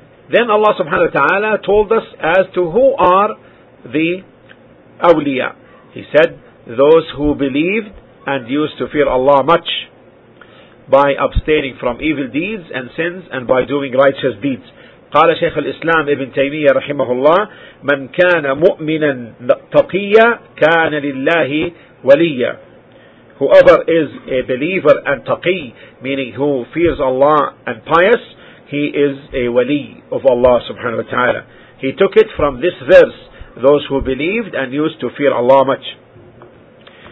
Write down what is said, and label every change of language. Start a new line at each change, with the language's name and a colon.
English: Then Allah subhanahu wa ta'ala told us as to who are the awliya. He said, those who believed and used to fear Allah much by abstaining from evil deeds and sins and by doing righteous deeds.
Arabic: قال شيخ الإسلام ابن تيمية رحمه الله من كان مؤمنا تقيا كان لله وليا.
English: Whoever is a believer and taqi, meaning who fears Allah and pious, he is a wali of Allah subhanahu wa ta'ala. He took it from this verse, those who believed and used to fear Allah much.